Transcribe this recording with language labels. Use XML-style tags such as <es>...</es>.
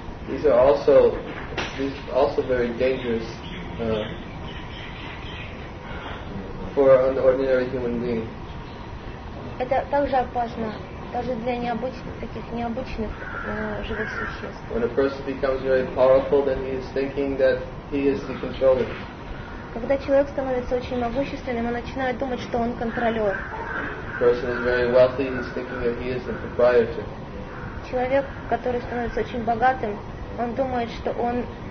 <en>These are also very dangerous for an ordinary human being.</en> <ru>Это также опасно даже для необычных живых существ.</ru> <en>When a person becomes very powerful, then he is thinking that he is the controller.</en> <ru>Когда человек становится очень могущественным, он начинает думать, что он контролер.</ru> <en>Person is very wealthy, he's thinking that he is the proprietor.</en> <ru>Человек, который становится очень богатым, он думает, что он</ru>